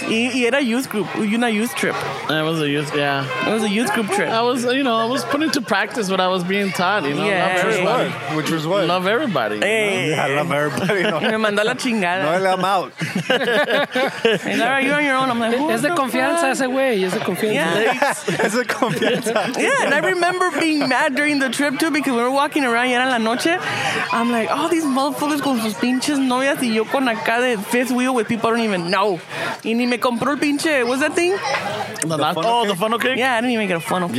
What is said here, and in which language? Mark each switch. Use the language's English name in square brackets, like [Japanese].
[English] He had a youth group. You know, youth trip. It was a youth, yeah. It was a youth group trip. I was, you know, I was putting to practice what I was being taught, you know. Yeah. Which was what? Which was what? Love everybody. Hey. You know? Yeah, love everybody. [Spanish] No. Me mandó la chingada. [English] No, I'm out. And all right, you're on your own. I'm like, [Spanish] es de confianza ese güey. Es de confianza. [English] Yeah. [Spanish] Es de confianza. [English] Yeah, and I remember being mad during the trip too, because we were walking around, [Spanish] y era la noche. [English] I'm like, all these motherfuckers [Spanish] con sus pinches novias, y yo con acá de [English] fifth wheel with people I don't even know. [Spanish] Y ni me compró el pinche, [English] what's that thing? The funnel cake? Yeah, I didn't even get a funnel cake.